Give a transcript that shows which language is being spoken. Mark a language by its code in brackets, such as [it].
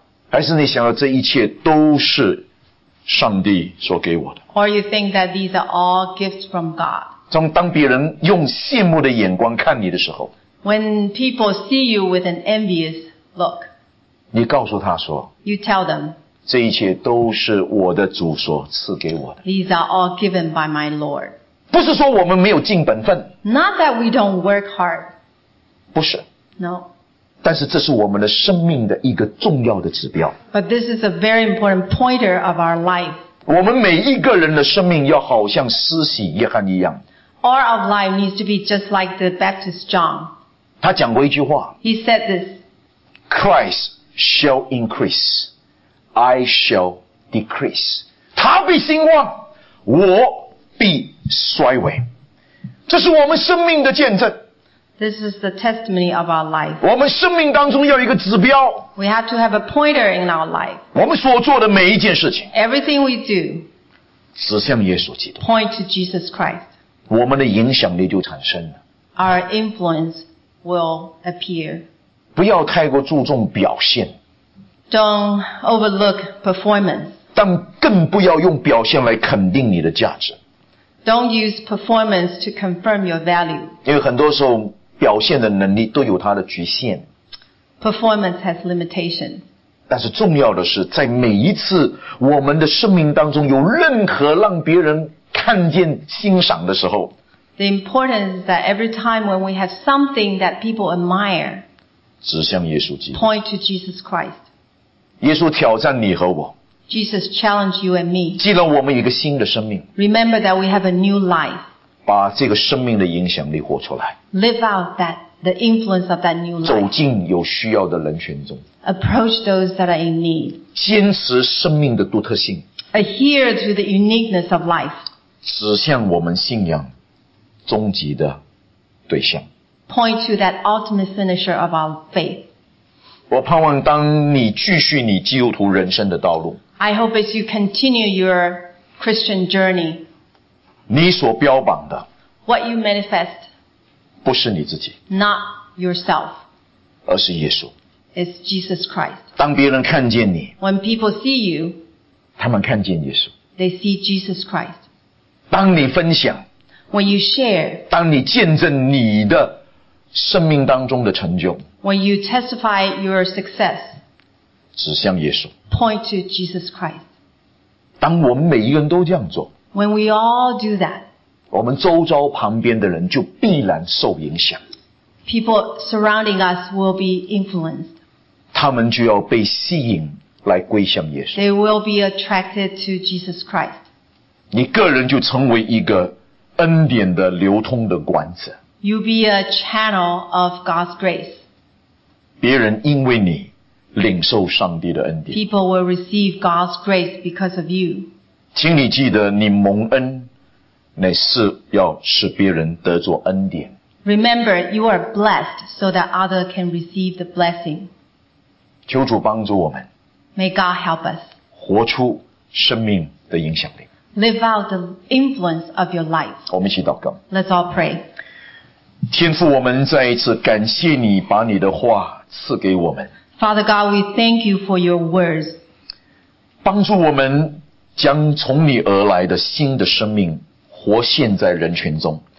[zh] 还是你想到这一切都是上帝所给我的? [en] Or you think that these are all gifts from God? [zh] 从当别人用羡慕的眼光看你的时候, [en] When people see you with an envious look, [zh] 你告诉他说, [en] You tell them, [zh] 这一切都是我的主所赐给我的。 [en] These are all given by my Lord. [zh] 不是说我们没有尽本分。 [en] Not that we don't work hard. [zh] 不是 [en] No. [zh] 但是这是我们的生命的一个重要的指标。 [en] But this is a very important pointer of our life. [zh] 我们每一个人的生命要好像施洗约翰一样。 [en] All of life needs to be just like the Baptist John. [zh] 他讲过一句话。 [en] He said this. Christ shall increase. I shall decrease. [zh] 他必兴旺，我必衰微。这是我们生命的见证。 [en] This is the testimony of our life. [zh] 我们生命当中要一个指标。 [en] We have to have a pointer in our life. [zh] 我们所做的每一件事情。 [en] Everything we do. [zh] 指向耶稣基督。 [en] Point to Jesus Christ. [zh] 我们的影响力就产生了。 [en] Our influence will appear. [zh] 不要太过注重表现。 [en] Don't overlook performance. [zh] 但更不要用表现来肯定你的价值。 [en] Don't use performance to confirm your value. [zh] 因为很多时候表现的能力都有它的局限。 [en] Performance has limitation. [zh] 但是重要的是，在每一次我们的生命当中有任何让别人看见欣赏的时候。 [en] The importance is that every time when we have something that people admire. [zh] 指向耶稣基督。 [en] Point to Jesus Christ. [zh] 耶稣挑战你和我。 [en] Jesus challenged you and me. [zh] 记得我们一个新的生命。 [en] Remember that we have a new life. [zh] 把这个生命的影响力活出来。 [en] Live out that, the influence of that new life. [zh] 走进有需要的人群中。 [en] Approach those that are in need. [zh] 坚持生命的独特性。 [en] Adhere to the uniqueness of life. [zh] 指向我们信仰终极的对象。 [en] Point to that ultimate finisher of our faith. [zh] 我盼望当你继续你基督徒人生的道路。 [en] I hope as you continue your Christian journey. [zh] 你所标榜的。 [en] What you manifest. [zh] 不是你自己。 [en] Not yourself. [zh] 而是耶稣。 [en] It's Jesus Christ. [zh] 当别人看见你。 [en] When people see you. [zh] 他们看见耶稣。 [en] They see Jesus Christ. [zh] 当你分享。 [en] When you share. [zh] 当你见证你的生命当中的成就。 [en] When you testify your success, [zh] 指向耶稣。 [en] Point to Jesus Christ. [zh] 当我们每一个人都这样做， [en] When we all do that, [zh] 我们周遭旁边的人就必然受影响。 [en] People surrounding us will be influenced. [zh] 他们就要被吸引来归向耶稣。 [en] They will be attracted to Jesus Christ. [zh] 你个人就成为一个恩典的流通的管子。 [en] You'll be a channel of God's grace. [zh] 别人因为你领受上帝的恩典。 [en] People will receive God's grace because of you. [zh] 请你记得你蒙恩乃是要使别人得着恩典。 [en] Remember, you are blessed so that others can receive the blessing. [zh] 求主帮助我们。 [en] May God help us. [zh] 活出生命的影响力。 [en] Live out the influence of your life. [zh] 我们一起祷告。 [en] Let's all pray. [zh] 天父，我们再一次感谢你把你的话赐给我们。 [en] Father God, we thank you for your words. [zh] 帮助我们将从你而来的新的生命活现在人群中。